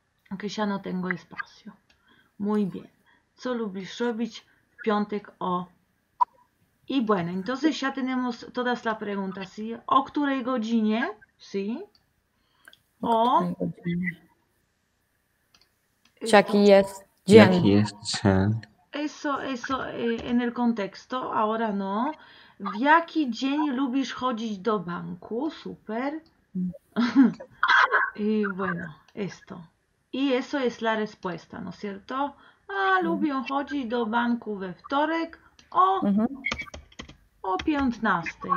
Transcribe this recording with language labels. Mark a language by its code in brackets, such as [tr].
[es] Aunque ya no tengo espacio. Muy bien. [pl] Co lubisz robić w piątek o... [es] Y bueno, entonces ya tenemos todas las preguntas, ¿sí? [pl] ¿O której godzinie? ¿Sí? ¿O? Jaki jest dzień. Jaki jest dzień. [es] Eso en el contexto, ahora no. [pl] ¿W jaki dzień lubisz chodzić do banku? [es] Super. Y bueno, esto. Y eso es la respuesta, ¿no es cierto? [pl] Lubią chodzić do banku we wtorek o 15.